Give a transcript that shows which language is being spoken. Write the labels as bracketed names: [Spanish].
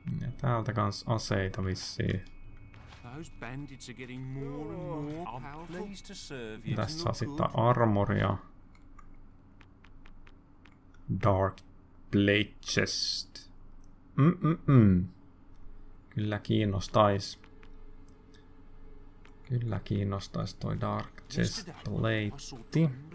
[Finnish] Ja täältä kans aseita vissii. [English] Those bandits are getting more and more powerful. Pleased to serve you. [Finnish] Tässä saa sitten armoria. [English] Dark Blade Chest. [Finnish] Kyllä kiinnostais. Kyllä kiinnostais toi Dark Chest Plate.